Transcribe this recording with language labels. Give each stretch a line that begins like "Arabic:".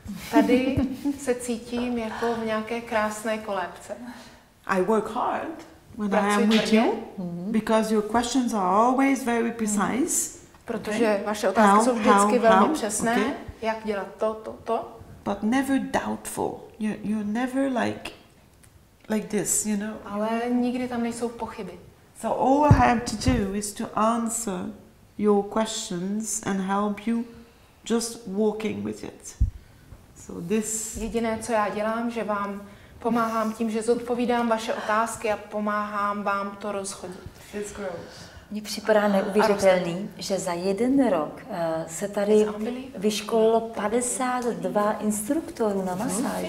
Czech: Tady se cítím jako v nějaké krásné kolébce.
English: I work hard when I am with you, because your questions are always very precise.
Czech: Protože vaše otázky jsou vždycky velmi přesné. Okay. Jak dělat to.
English: But never doubtful. You're never like this, you know.
Czech: Ale nikdy tam nejsou pochyby.
English: So all I have to do is to answer your questions and help you just walking with it. So this.
Czech: Jediné, co já dělám, že vám pomáhám tím, že zodpovídám vaše otázky a pomáhám vám to rozchodit.
English: It's gross.
Czech: Mně připadá neuvěřitelný, že za 1 rok se tady vyškolilo 52 instruktorů na masáže.